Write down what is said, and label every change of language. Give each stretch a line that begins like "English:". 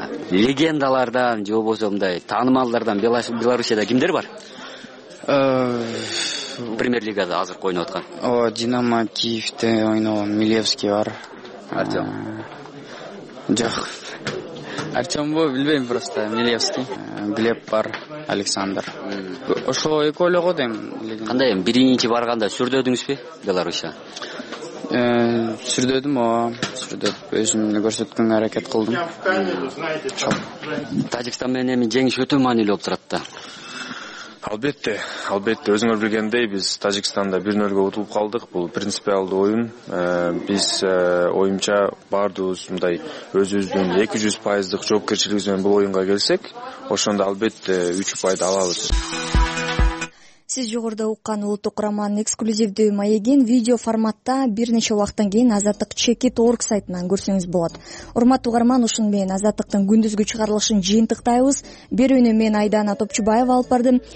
Kyrgyz: Легендалардан, джобозомдай, танымалдардан Белоруссияда кимдер бар? Премьер-лигада азыркы ойноп аткан. Динамо Киевте ойногон Милевский бар. Артем? Жок. Артем бу, билбейм просто, Милевский. Глеб бар, Александр. Ошо эки ойлого дейм. Кандай эми биринчи барганда сүрдөдүңүзбү Белоруссия? Сүрдөдүм ооба. Сүрдөп өзүмдү көрсөткөнгө аракет кылдым. Таджикстан менен эми жеңиш өтө маанилүү болуп турат да. Албетте, албетте.
Kazakh: Өзіңіз білгендей, біз Тажикстанда 1-0-ге ұтылып қалдық. Бұл принципиалды ойын. Біз ойымша бардығыз мындай өзіміздің 200%-дық жауапкершілігімізбен бұл ойынға келсек, ошонда албетте 3 ұпайды аламыз.
Kyrgyz: Сиз жогоруда уккан улуттук кураманын эксклюзивдүү маегин видео форматта бир нече убакыттан кийин азаттык чекит орг сайтынан көрсөңүз болот. Урматтуу угарман, ушун менен азаттыктын күндүзгү чыгарылышын жыйынтыктайбыз. Берүүнү мен Айдана Топчубаева алып бардым.